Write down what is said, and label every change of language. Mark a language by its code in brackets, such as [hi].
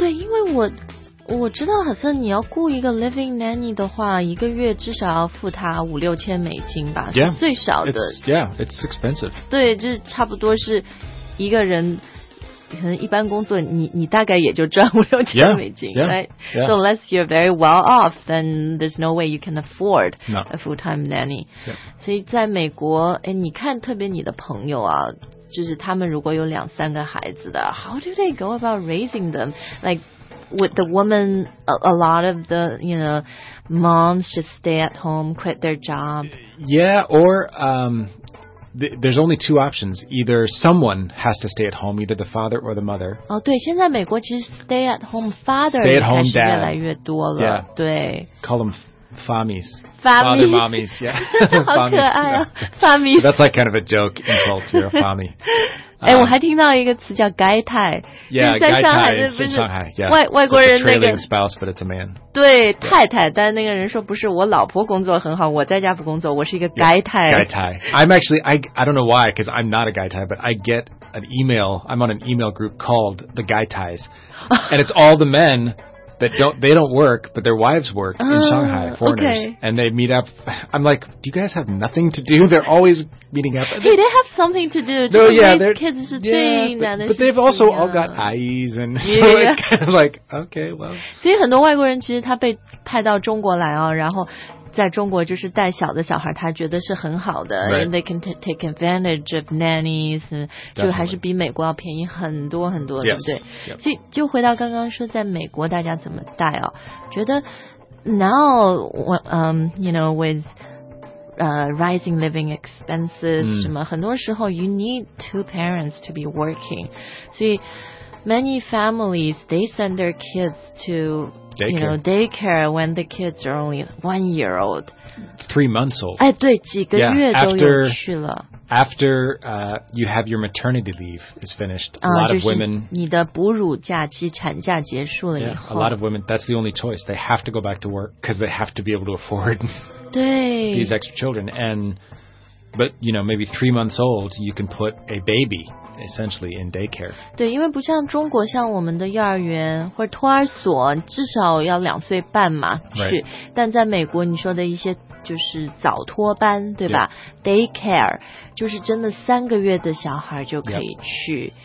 [zh] 对因为我知道好像你要雇一个 living nanny 的话一个月至少要付他五六千美金吧 [en] yeah, [zh] 是最少的 [en] it's, Yeah, it's expensive [zh] 对就是差不多是一个人可能一般工作你大概也就赚五六千美金 [en] yeah, yeah, right? yeah. So unless you're very well off then there's no way you can afford、 no. a full-time nanny、 yeah. [zh] 所以在美国哎，你看特别你的朋友啊就是他们如果有两三个孩子的 [en] How do they go about raising them? Like,With the woman, a lot of the, you know, moms just stay at home, quit their job. Yeah, or there's only two options. Either someone has to stay at home, either the father or the mother. [zh] Oh, 对现在美国其实 [en] stay at home father stay at home [zh] 开始越来越多了 [en] yeah. [zh] 对 [en] Call them famis. Famis. Father mommies, yeah. [zh] 好可爱啊 famis. [en] Yeah. That's like kind of a joke insult, you're a fami. [zh] 哎、我还听到一个词叫 gai tai [en] Yeah, [zh] 就是在上海是不是外国人那个 [en] It's a trailing spouse, but it's a man [zh] 对、yeah. 太太但那个人说不是我老婆工作很好我在家不工作我是一个 gai tai、 [en] yeah, gai tai I'm actually I don't know why because I'm not a gai tai but I get an email I'm on an email group called the gai tais and it's all the men that they don't work but their wives work in Shanghai foreigners、 okay. and they meet up I'm like do you guys have nothing to do they're always meeting up hey they have something to do no, yeah, raise kids is yeah, but they've also all got eyes and、 yeah. so it's kind of like okay well [zh] 所以很多外国人其实他被派到中国来、哦、然后在中国就是带小的小孩他觉得是很好的、 [en] right. and they can take advantage of nannies、 Definitely. [zh] 就还是比美国要便宜很多很多、 [en] yes. [zh] 对不对、 [en] yep. [zh] 所以就回到刚刚说在美国大家怎么带哦觉得 [en] now you know withrising living expenses、 [zh] 什么很多时候 [en] you need two parents to be working [zh] 所以 [en] many families they send their kids to Daycare. You know, daycare when the kids are only 1 year old. 3 months old. [zh] 哎对几个月 [en] yeah, [zh] 都 [en] after, [zh] 有去了 [en] After、you have your maternity leave is finished, a lot of women... [zh] 你的哺乳假期产假结束了以后 [en] yeah, A lot of women, that's the only choice. They have to go back to work because they have to be able to afford these extra children. And, but, you know, maybe 3 months old, you can put a baby... Essentially in daycare. [zh] 对，因为不像中国，像我们的幼儿园或者托儿所，至少要两岁半嘛去。 [en] Right. [zh] 但在美国，你说的一些就是早托班，对吧、 [en] yeah.？Daycare [zh] 就是真的三个月的小孩就可以去。